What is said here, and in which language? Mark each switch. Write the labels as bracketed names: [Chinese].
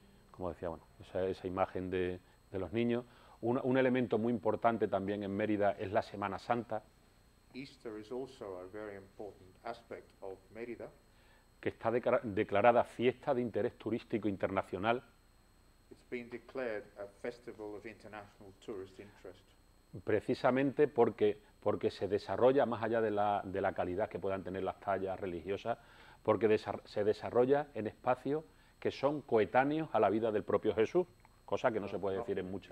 [Spanish] Como decía, bueno, esa imagen de los niños. Un elemento muy importante también en Mérida es la Semana Santa. [English] Easter is also a very important aspect of Mérida. [Spanish] Que está declarada fiesta de interés turístico internacional. [English] It's been declared a festival of international tourist interest. [Spanish] Precisamente porque se desarrolla, más allá de la calidad que puedan tener las tallas religiosas, porque se desarrolla en espacios que son coetáneos a la vida del propio Jesús, cosa que no se puede decir en muchas...